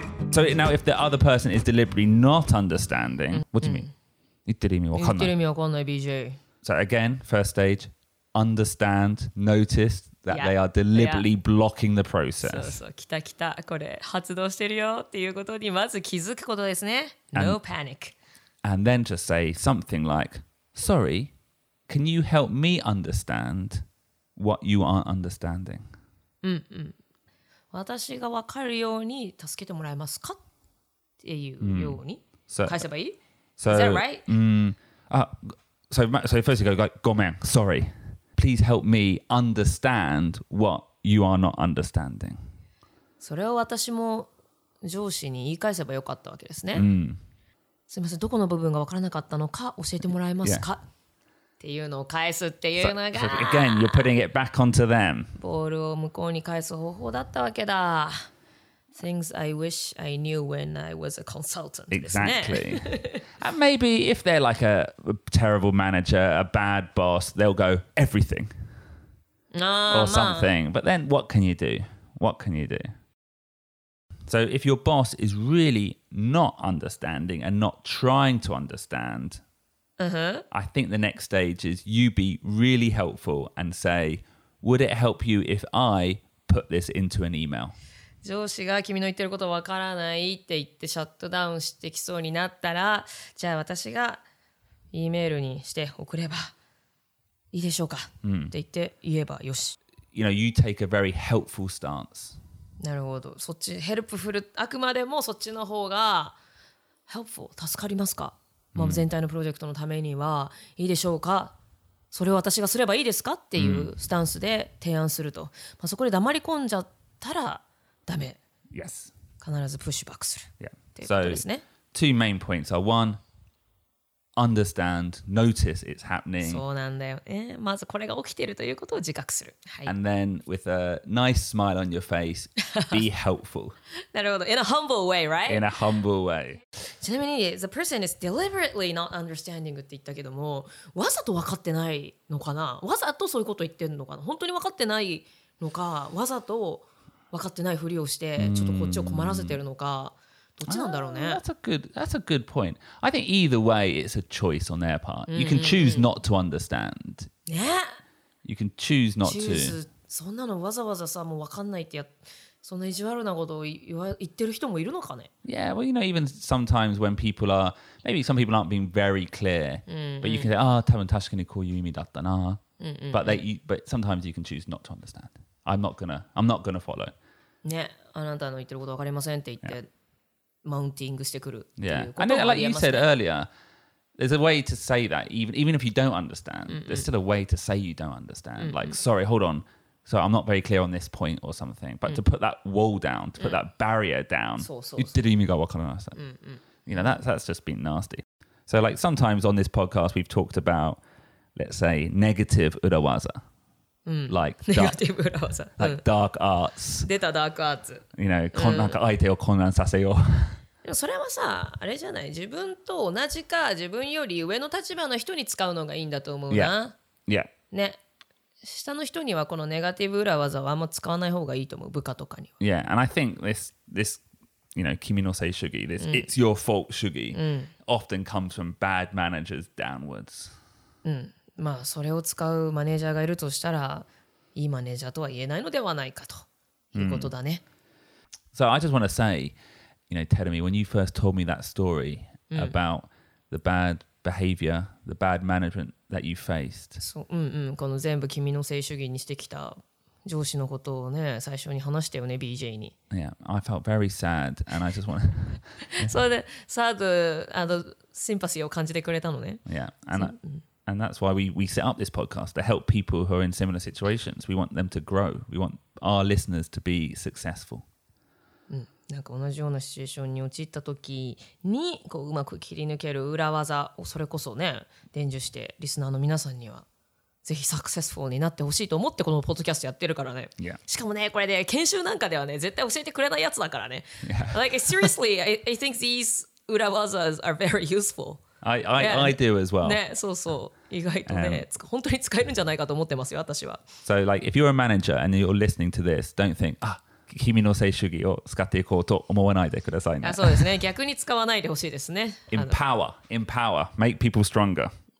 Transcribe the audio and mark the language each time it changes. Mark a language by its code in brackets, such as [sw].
[en] So now, if the other person is deliberately not understanding, what do you mean? [ja] 言ってる意味わかんない。言ってる意味わかんない、BJ。 [en] So again, first stage, understand, notice that they are deliberately blocking the process. [ja] そうそう、来た来た、これ発動してるよっていうことにまず気づくことですね。 [en] No panic. And then just say something like, sorry, can you help me understand what you aren't understanding? [ja] うんうん。私が分かるように助けてもらえますかっていうように返せばいい、 [en] Is that right? So first you go, like, ごめん、sorry. Please help me understand what you are not understanding. [ja] それを私も上司に言い返せばよかったわけですね。すみません、どこの部分が分からなかったのか教えてもらえますか、yeah. っていうのを返すっていうのが、 [en] again, you're putting it back onto them. [ja] ボールを向こうに返す方法だったわけだ。 [en] Things I wish I knew when I was a consultant. Exactly. And maybe if they're like a terrible manager, a bad boss, they'll go everything. Or something. But then what can you do? What can you do? So if your boss is really not understanding and not trying to understand... I think the next stage is you be really helpful and say, would it help you if I put this into an email? [ja] 上司が君の言ってることわからないって言ってシャットダウンしてきそうになったら、じゃあ私が E メールにして送ればいいでしょうか、って言って言えばよし。 [en] You know, you take a very helpful stance. [ja] なるほど。そっち、ヘルプフル、あくまでもそっちの方が helpful、助かりますか? まあ、全体のプロジェクトのためにはいいでしょうか、それを私がすればいいですかっていうスタンスで提案すると、まあ、そこで黙り込んじゃったらダメ、 [en] yes. [ja] 必ずプッシュバックするっていうことですね。 [en] So two main points are one, understand, notice it's happening. [ja] そうなんだよ、まずこれが起きているということを自覚する、 [en] And then with a nice smile on your face, be helpful. なるほど、 in a humble way, right? In a humble way. [ja] ちなみに [en] the person is deliberately not understanding [ja] って言ったけども、わざと分かってないのかな、わざとそういうこと言ってるのかな、本当に分かってないのか、わざと分かってないふりをしてちょっとこっちを困らせてるのか、どっちなんだろうね。 [en] That's a good point. I think either way it's a choice on their part. You can choose not to understand. Yeah. You can choose not to. [ja] そんなのわざわざさ、もう分かんないってや、そんな意地悪なことを言ってる人もいるのかね。 [en] Yeah, well, you know, even sometimes when people are, maybe some people aren't being very clear, but you can say, ah, [ja] 多分確かにこういう意味だったな。 [en] But sometimes you can choose not to understand. I'm not gonna follow. [ja] ね、あなたの言ってること分かりませんって言って、マウンティングしてくるっていうことがありますね。 [en] Yeah, and like you said earlier, there's a way to say that, even if you don't understand, there's still a way to say you don't understand. Like, sorry, hold on. So I'm not very clear on this point or something, but to put that wall down, to put that barrier down, [ja] そうそうそう、言ってる意味が分からない。 [en] You know, that's just been nasty. So like sometimes on this podcast, we've talked about, let's say, negative urawaza. Like negative urawaza. Like dark arts. [ja] 出た dark arts. [en] You know, [ja] なんか相手を混乱させよう。でもそれはさ、あれじゃない、自分と同じか自分より上の立場の人に使うのがいいんだと思うな。 [en] yeah. Yeah. [ja] ね、下の人にはこのネガティブ裏技はあんま使わない方がいいと思う、部下とかには。 [en] Yeah, and I think this you know, 君のせい主義、 this、うん、it's your fault 主義、うん、often comes from bad managers downwards。 [ja] うん、まあそれを使うマネージャーがいるとしたら、いいマネージャーとは言えないのではないかということだね。う [en] ん、So I just want to say, you know, Terumi, when you first told me that story、うん、about the bad behavior, the bad management that you faced. [ja] そう、うんうん、この全部君のせい主義にしてきた上司のことをね、最初に話したよね、BJ に。 [en] Yeah, I felt very sad, and I just want [ja] to... それで、 [en] sad and sympathy [ja] を感じてくれたのね。 [en] Yeah, and I...、うんAnd that's why we set up this podcast, to help people who are in similar situations. We want them to grow. We want our listeners to be successful. [ja] なんか同じようなシチュエーションに陥った時に、こううまく切り抜ける裏技をそれこそね、伝授してリスナーの皆さんにはぜひサクセスフォーになってほしいと思ってこのポッドキャストやってるからね。 [en] Yeah. [ja] しかもね、これで、ね、研修なんかではね、絶対教えてくれないやつだからね。 [en] Yeah. Like, seriously, I think these 裏技 are very useful I do as well. [ja] ね、そうそう、意外とね、本当に使えるんじゃないかと思ってますよ、私は。 [en] So like, if you're a manager and you're listening to this, don't think, ah, [ja] 君のせい主義を使っていこうと思わないでくださいね。あ、そうですね。逆に使わないでほしいですね。 [en] Empower, make people stronger.